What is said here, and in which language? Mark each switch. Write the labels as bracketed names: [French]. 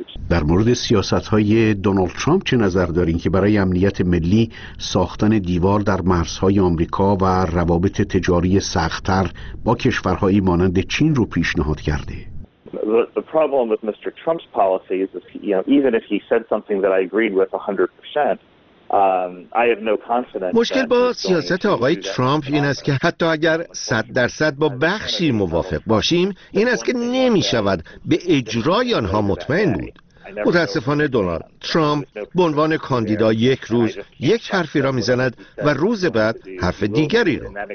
[Persian] در مورد سیاست‌های دونالد ترامپ چه نظر دارین که برای امنیت ملی ساختن دیوار در مرزهای آمریکا و روابط تجاری سخت‌تر با کشورهایی مانند چین رو پیشنهاد کرده؟ [English] The problem with Mr. Trump's policies is, you know, even if he said something that I agreed with 100%, I have no confidence. [Persian] مشکل با سیاست آقای ترامپ این است که حتی اگر 100% با بخشی موافق باشیم، این است که نمی‌شود به اجرای آنها مطمئن بود. متاسفانه دونالد ترامپ به عنوان کاندیدا یک روز یک حرفی را میزند و روز بعد حرف دیگری را.